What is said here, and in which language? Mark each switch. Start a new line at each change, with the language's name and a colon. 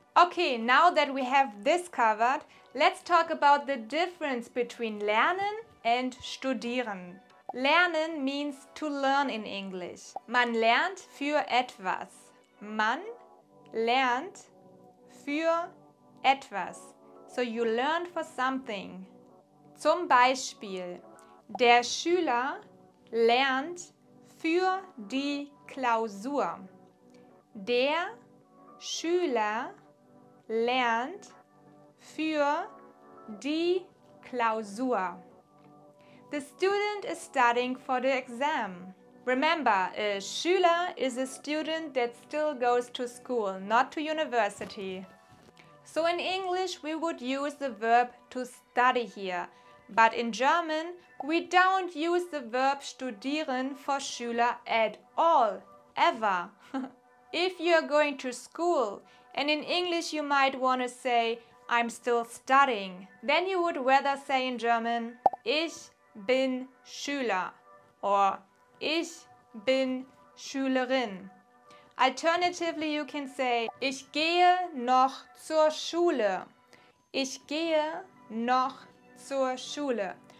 English: Okay, now that we have this covered, let's talk about the difference between lernen and studieren. Lernen means to learn in English.
German: Man lernt für etwas. Man lernt für etwas.
English: So you learn for something.
German: Zum Beispiel, der Schüler lernt für die Klausur. Der Schüler lernt für die Klausur.
English: The student is studying for the exam. Remember, a Schüler is a student that still goes to school, not to university. So in English we would use the verb to study here. But in German, we don't use the verb studieren for Schüler at all, ever. If you're going to school, and in English you might want to say, I'm still studying, then you would rather say in German,
German: ich bin Schüler,
English: or
German: ich bin Schülerin.
English: Alternatively, you can say,
German: ich gehe noch zur Schule. Ich gehe noch zur Schule.